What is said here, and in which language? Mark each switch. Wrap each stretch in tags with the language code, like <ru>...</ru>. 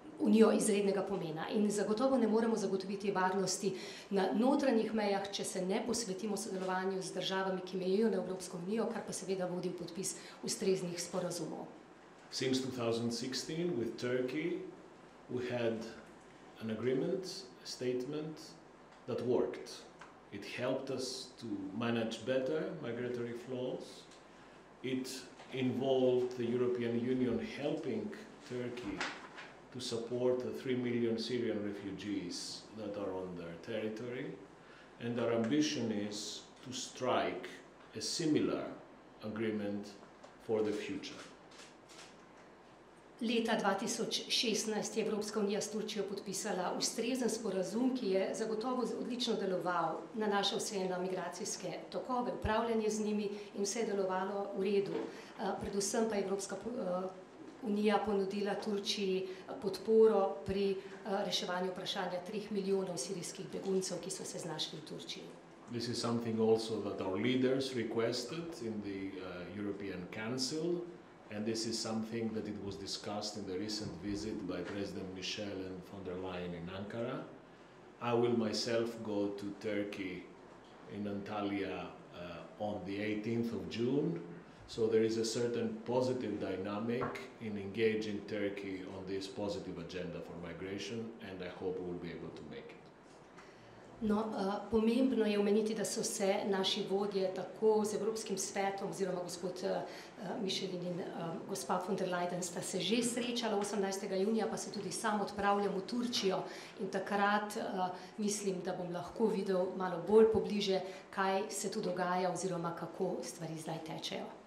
<sl>Unijo izrednega pomena in zagotovo ne moremo zagotoviti varnosti na notranjih mejah, če se ne posvetimo sodelovanju z državami, ki mejijo na Evropsko unijo, kar pa seveda vodi v podpis ustreznih sporazumov.</sl> <en>Since 2016 with Turkey we had an agreement, a statement that worked. It helped us to manage better migratory flows. It involved the European Union helping Turkey to support the 3 million Syrian refugees that are on their territory. And our ambition is to strike a similar agreement for the future.</en> <sl>Leta 2016 je Evropska unija s Turčijo podpisala ustrezen sporazum, ki je zagotovo odlično deloval, nanašal se je na migracijske tokove, upravljanje z njimi in vse delovalo v redu. Predvsem pa Evropska unija ponudila Turčiji podporo pri reševanju vprašanja 3 milijonov sirijskih beguncev, ki so se znašli v Turčiji.</sl> <en>This is something also that our leaders requested in the European Council. And this is something that it was discussed in the recent visit by President Michel and von der Leyen in Ankara. I will myself go to Turkey in Antalya on the 18th of June. So there is a certain positive dynamic in engaging Turkey on this positive agenda for migration, and I hope we'll be able to make it.</en> <sl>No, pomembno je omeniti, da so se naši vodje tako z Evropskim svetom, oziroma gospod Michelin in gospa von der Leyen sta se že srečala 18. junija, pa se tudi sam odpravljam v Turčijo in takrat mislim, da bom lahko videl malo bolj pobliže, kaj se tu dogaja oziroma kako stvari zdaj tečejo.</sl>